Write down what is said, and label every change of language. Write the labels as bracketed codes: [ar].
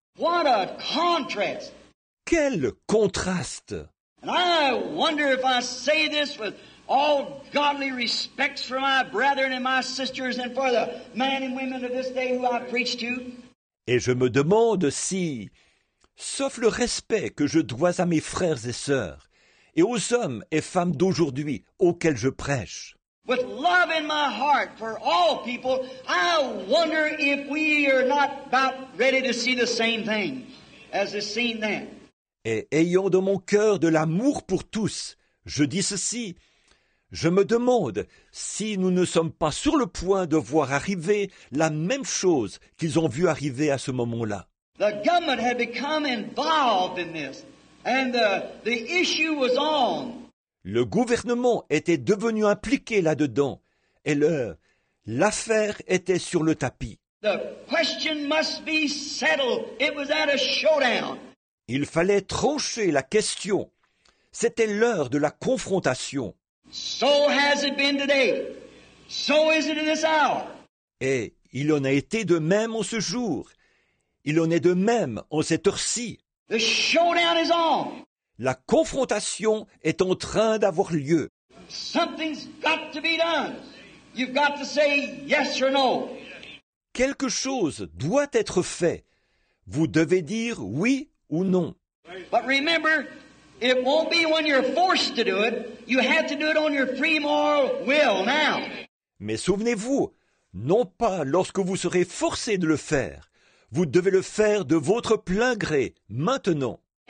[en] What a contrast! [fr] Quel contraste! [en] And I wonder if I say this with all godly respects for my brethren and my sisters and for the men and women of this day who I preach to. [fr] Et je me demande si, sauf le respect que je dois à mes frères et sœurs et aux hommes et femmes d'aujourd'hui auxquels je prêche, [en] with love in my heart for all people, I wonder if we are not about ready to see the same thing as is seen then. [fr] Et ayant dans mon cœur de l'amour pour tous, je dis ceci, je me demande si nous ne sommes pas sur le point de voir arriver la même chose qu'ils ont vu arriver à ce moment-là. [en] The government had become involved in this, and the issue was on. [fr] Le gouvernement était devenu impliqué là-dedans et l'affaire était sur le tapis. [en] The question must be settled. It was at a showdown. [fr] Il fallait trancher la question. C'était l'heure de la confrontation. [en] So has it been today. So is it in this hour. [fr] Et il en a été de même en ce jour. Il en est de même en cette heure-ci. [en] The showdown is on. [fr] La confrontation est en train d'avoir lieu. [en] Something's got to be done. You've got to say yes or no. [fr] Quelque chose doit être fait. Vous devez dire oui ou non. [en] But remember, it won't be when you're forced to do it. You have to do it on your free moral will now. [fr] Mais souvenez-vous, non pas lorsque vous serez forcé de le faire. Vous devez le faire de votre plein gré, maintenant.